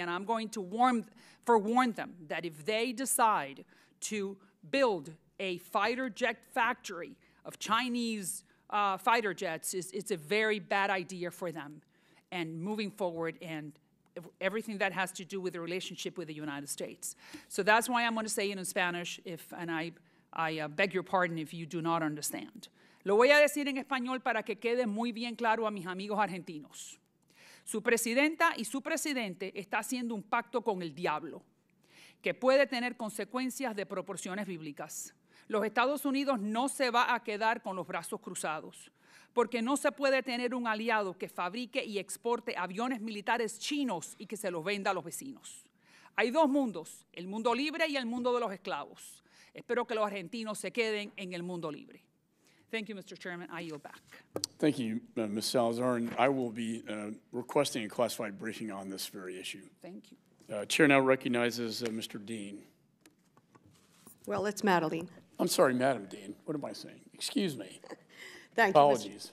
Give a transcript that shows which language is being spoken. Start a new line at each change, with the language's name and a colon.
English: And I'm going to forewarn them that if they decide to build a fighter jet factory of Chinese fighter jets, it's a very bad idea for them. And moving forward and everything that has to do with the relationship with the United States. So that's why I'm going to say it in Spanish, and I beg your pardon if you do not understand.
Spanish: Lo voy a decir en español para que quede muy bien claro a mis amigos argentinos. Su presidenta y su presidente está haciendo un pacto con el diablo que puede tener consecuencias de proporciones bíblicas. Los Estados Unidos no se va a quedar con los brazos cruzados porque no se puede tener un aliado que fabrique y exporte aviones militares chinos y que se los venda a los vecinos. Hay dos mundos, el mundo libre y el mundo de los esclavos. Espero que los argentinos se queden en el mundo libre.
English: Thank you, Mr. Chairman. I yield back. Thank you, Ms. Salazar. And I will be requesting a classified briefing on this very issue. Thank you. Chair now recognizes Mr. Dean. Well, it's Madeline. I'm sorry, Madam Dean. What am I saying? Excuse me. Thank Apologies.